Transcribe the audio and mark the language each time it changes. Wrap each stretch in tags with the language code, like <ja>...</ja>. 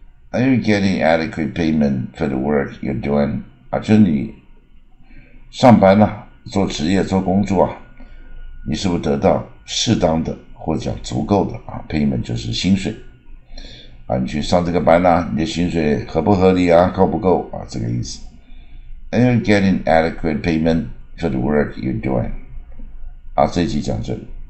<en>Are you getting adequate payment for the work you're doing？</en> <zh>啊，就是你。上班呢、啊，做职业做工作啊，你是不是得到适当的或者叫足够的啊 payment 就是薪水啊？你去上这个班呢、啊，你的薪水合不合理啊？够不够啊？这个意思。</zh> <en>Are you getting adequate payment for the work you're doing？</en> <zh>啊，这集讲这里。</zh>